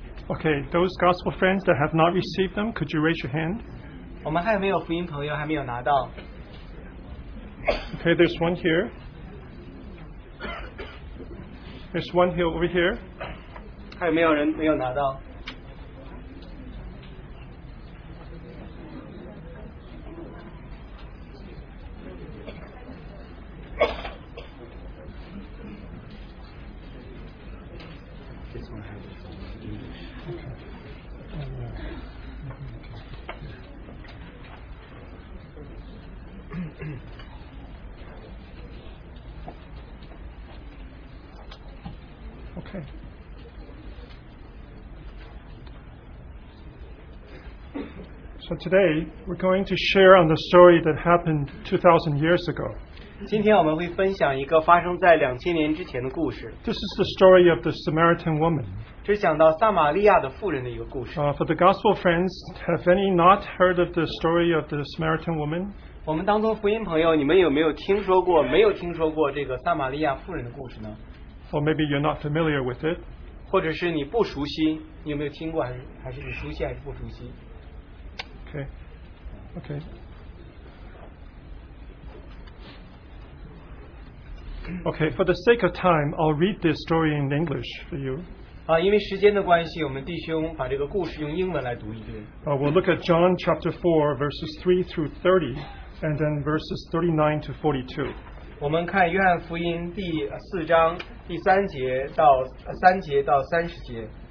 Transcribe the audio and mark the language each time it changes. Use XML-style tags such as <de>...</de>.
<en>Okay, those gospel friends that have not received them, could you raise your hand?</en> <zh>我们还没有福音朋友，还没有拿到。</zh> <en>Okay, there's one here. There's one here over here.</en> <zh>还有没有人没有拿到？</zh> <en>So today, we're going to share on the story that happened 2,000 years ago.</en> <zh>今天我们会分享一个发生在2000年之前的故事。</zh> <en>This is the story of the Samaritan woman.</en> <zh>这讲到撒玛利亚的妇人的一个故事。</zh> <en>For the gospel friends, have any not heard of the story of the Samaritan woman?</en> <zh>我们当中福音朋友，你们有没有听说过，没有听说过这个撒玛利亚妇人的故事呢？</zh> <en>Or maybe you're not familiar with it.</en> <zh>或者是你不熟悉，你有没有听过，还是你熟悉还是不熟悉？</zh> <en>Okay. Okay, for the sake of time, I'll read this story in English for you.</en> <zh>因为时间的关系，我们弟兄把这个故事用英文来读一遍。</zh> <en>We'll look at John chapter 4, verses 3 through 30, and then verses 39 to 42.</en> <zh>我们看约翰福音第四章第三节到三节到三十节。</zh>